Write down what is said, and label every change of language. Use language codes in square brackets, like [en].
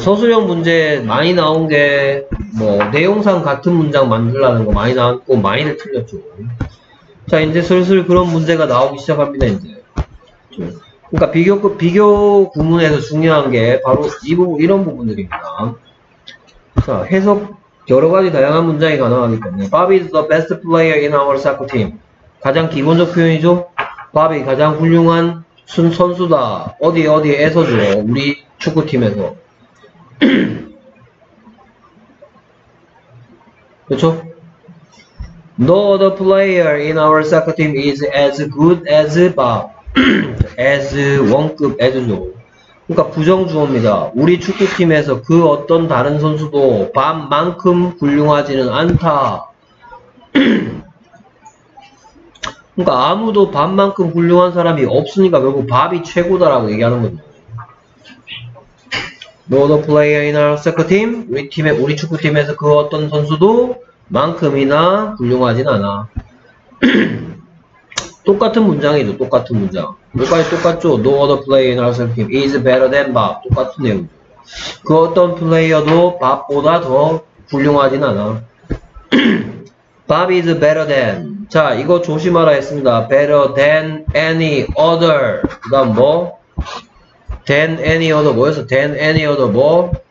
[ko] 서술형 문제 많이 나온 게, 뭐, 내용상 같은 문장 만들라는 거 많이 나왔고, 많이들 틀렸죠. 자, 이제 슬슬 그런 문제가 나오기 시작합니다, 이제. 그러니까 비교 구문에서 중요한 게 바로 이 부분, 이런 부분들입니다. 자, 해석, 여러 가지 다양한 문장이 가능하기 때문에. Bob is the best player in our soccer team. 가장 기본적 표현이죠? Bob이 가장 훌륭한 선수다. 어디에서죠? 우리 축구팀에서. 그쵸? [en] No other player in our soccer team is as good as Bob. [ko] as 원급, as죠. 그러니까 부정주어입니다. 우리 축구팀에서 그 어떤 다른 선수도 Bob만큼 훌륭하지는 않다. 그러니까 아무도 Bob만큼 훌륭한 사람이 없으니까 결국 Bob이 최고다라고 얘기하는 겁니다. [en] No other player in our soccer team. [ko] 우리 팀에, 우리 축구팀에서 그 어떤 선수도 만큼이나 훌륭하진 않아. 똑같은 문장이죠. 똑같은 문장. 여기까지 똑같죠. [en] No other player in our soccer team is better than Bob. [ko] 똑같은 내용. 그 어떤 플레이어도 Bob보다 더 훌륭하진 않아. [en] Bob is better than. [ko] 자, 이거 조심하라 했습니다. [en] Better than any other. [ko] 그 다음 뭐? [en] than any other 뭐였어? than any other 뭐?